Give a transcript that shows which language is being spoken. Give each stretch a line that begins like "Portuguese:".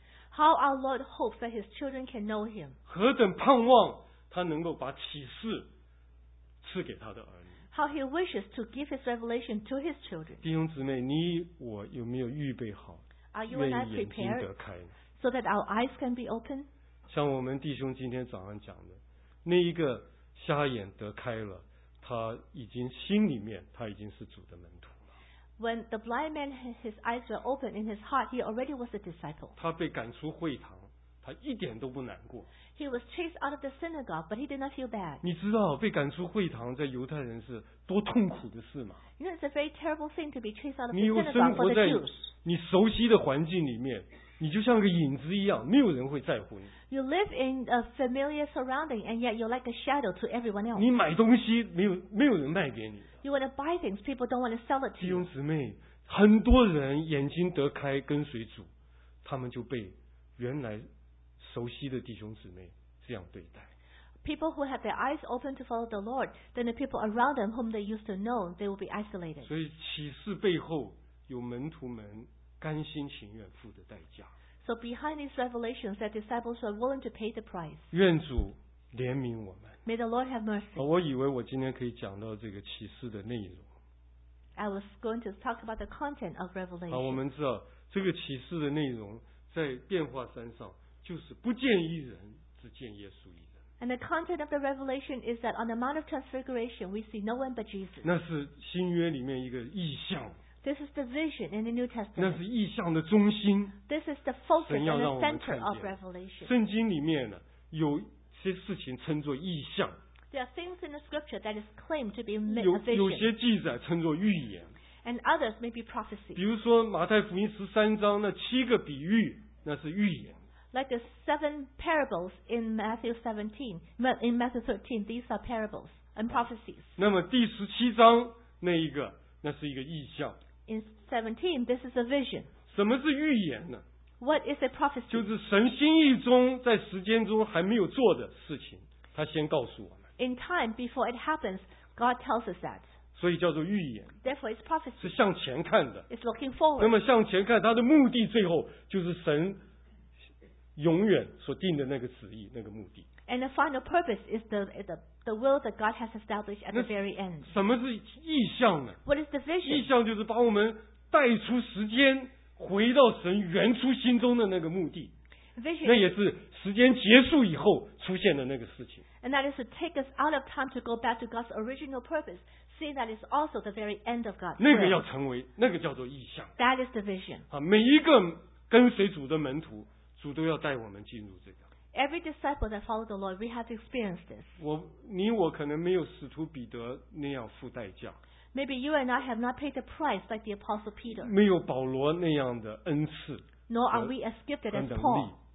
English: How our Lord hopes that His children can know Him.
Chinese: 何等盼望他能够把启示赐给他的儿女。
English: How He wishes to give His revelation to His children.
Chinese: 弟兄姊妹，你我有没有预备好？
English: Are you and I prepared so that our eyes can be open?
Chinese: 像我们弟兄今天早上讲的，那一个瞎眼得开了。他已经心里面，他已经是主的门徒了。
English: When the blind man his eyes were opened in his heart, he already was a disciple.
Chinese: 他被赶出会堂，他一点都不难过。
English: He was chased out of the synagogue, but he did not feel bad.
Chinese: 你知道被赶出会堂在犹太人是多痛苦的事吗？
English: You know, it's a very terrible thing to be chased out of the synagogue for the Jews.
Chinese: 你又生活在你熟悉的环境里面，你就像个影子一样，没有人会在乎你。
English: You live in a familiar surrounding, and yet you're like a shadow to everyone else.
Chinese: 你买东西没有人卖给你。
English: You want to buy things, people don't want to sell it to you.
Chinese: 弟兄姊妹，很多人眼睛得开跟随主，他们就被原来熟悉的弟兄姊妹这样对待。
English: People who have their eyes open to follow the Lord, then the people around them whom they used to know, they will be isolated.
Chinese: 所以启示背后有门徒们甘心情愿付的代价。
English: So behind these revelations, that disciples are willing to pay the price.
Chinese: 愿主怜悯我们。
English: May the Lord have mercy.
Chinese: 我以为我今天可以讲到这个启示的内容。
English: I was going to talk about the content of revelation.
Chinese: 我们知道这个启示的内容在变化山上就是不见一人，只见耶稣一人。
English: And the content of the revelation is that on the Mount of Transfiguration, we see no one but Jesus.
Chinese: 那是新约里面一个意象。
English: This is the vision in the New Testament.
Chinese: 那是意象的中心。
English: This is the focus and the center of Revelation.
Chinese: 圣经里面呢，有些事情称作意象。
English: There are things in the scripture that is claimed to be a vision.
Chinese: 有些记载称作预言。
English: And others may be prophecy.
Chinese: 比如说马太福音十三章那七个比喻，那是预言。
English: Like the seven parables in Matthew 13, these are parables and prophecies.
Chinese: 那么第十七章那一个。那是一个意象。
English: In 17, this is a vision.
Chinese: 什么是预言呢？
English: What is a prophecy?
Chinese: 就是神心意中在时间中还没有做的事情，他先告诉我们。
English: In time before it happens, God tells us that.
Chinese: 所以叫做预言。
English: Therefore, it's prophecy.
Chinese: 是向前看的。
English: It's looking forward.
Chinese: 那么向前看，他的目的最后就是神永远所定的那个旨意，那个目的。
English: And the final purpose is the will that God has established at the very end.
Chinese: 什么是意象呢？
English: What is the vision?
Chinese: 意象就是把我们带出时间，回到神原初心中的那个目的。
English: Vision.
Chinese: 那也是时间结束以后出现的那个事情。
English: And that is to take us out of time to go back to God's original purpose, seeing that it's also the very end of God's will.
Chinese: 那个要成为，那个叫做意象。
English: That is the vision.
Chinese: 啊，每一个跟随主的门徒，主都要带我们进入这个。
English: Every disciple that followed the Lord, we have experienced this.
Chinese: 你我可能没有使徒彼得那样付代价。
English: Maybe you and I have not paid the price like the Apostle Peter.
Chinese: 没有保罗那样的恩赐。 Nor are we as gifted as Paul.